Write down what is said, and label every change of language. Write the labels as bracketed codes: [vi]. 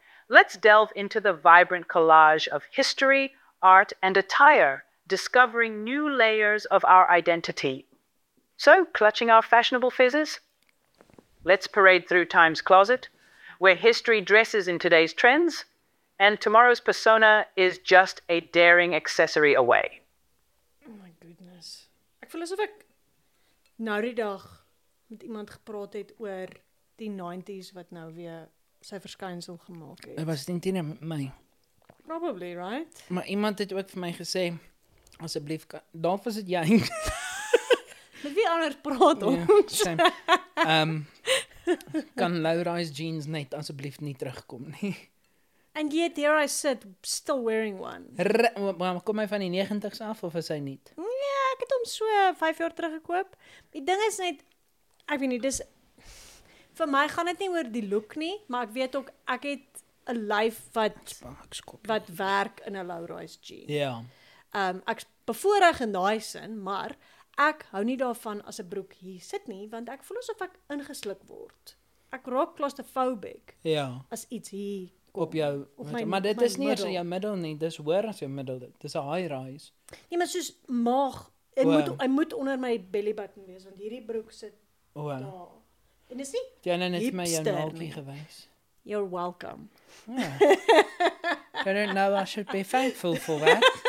[en] Let's delve into the vibrant collage of history, art, and attire, discovering new layers of our identity. So, clutching our fashionable fizzes? Let's parade through time's closet, where history dresses in today's trends, and tomorrow's persona is just a daring accessory away. Oh my goodness. [af] Ek voel asof ek nou die dag met iemand gepraat het oor die 90s wat nou weer sy verskynsel gemaak het. Dit was die 10e met my. [en] Probably, right? [af] Maar iemand het ook vir my gesê, asseblief, daar was het jy. Met wie ander praat ons? Ja, kan low-rise jeans net asseblief nie terugkom nie. [en] And yet here I sit, still wearing one. [af] Kom hy van die 90s af of is hy nie? Nee, ek het hom so 5 jaar terug gekoop. Die ding is net, ek weet nie, dis, vir my gaan het nie oor die look nie, maar ek weet ook, ek het [en] a life [af] wat werk in [en] a low-rise jean. [af] Ja. Ek is bevoorreg in daai sin, maar ek hou nie daarvan as 'n broek hier sit nie, want ek voel asof ek ingesluk word. Ek raak claustrophobic. Ja. As iets hier kom, op jou, maar dit is nie as jou middel nie, dis hoër as jou middel, dis [en] a high rise. [af] Nee, maar soos maag, hy moet onder my belly button wees, want hierdie broek sit daar. En dis nie hipster nie. Jy het my jou naaltie gewys. [en] You're welcome. Yeah. I don't know, I should be thankful for that.